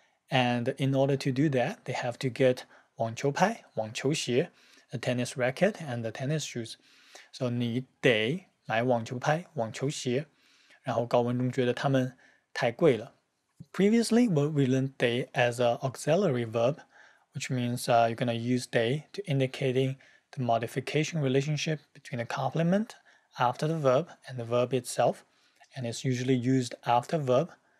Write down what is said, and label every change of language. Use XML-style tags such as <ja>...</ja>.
<en>And in order to do that, they have to get</en> <zh>网球拍,网球鞋,</zh> <en>a tennis racket, and the tennis shoes.</en> <zh>So 你得买网球拍,网球鞋。然后高文中觉得他们太贵了。</zh> <en>Previously, we learned day as an auxiliary verb, which means you're going to use day to indicating the modification relationship between a complement after the verb and the verb itself, and it's usually used after verb.</en>